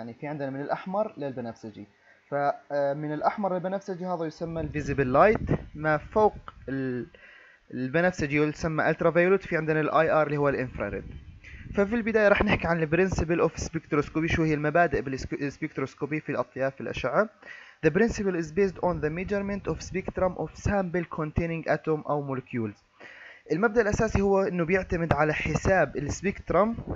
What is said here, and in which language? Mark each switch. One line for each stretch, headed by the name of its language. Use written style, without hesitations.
Arabic: يعني في عندنا من الأحمر للبنفسجي، فمن الأحمر للبنفسجي هذا يسمى الفيزيبل لايت. ما فوق البنفسجي يسمى الترا فيولوت. في عندنا الاي ار اللي هو الانفراريد. ففي البداية راح نحكي عن البرنسبل اوف سبكتروسكوبي، شو هي المبادئ بالسبكتروسكوبي في الأطياف الأشعة.
English: The principle is based on the measurement of spectrum of sample containing atom
Arabic: أو
English: molecules.
Arabic: المبدأ الأساسي هو أنه بيعتمد على حساب السبيكترام.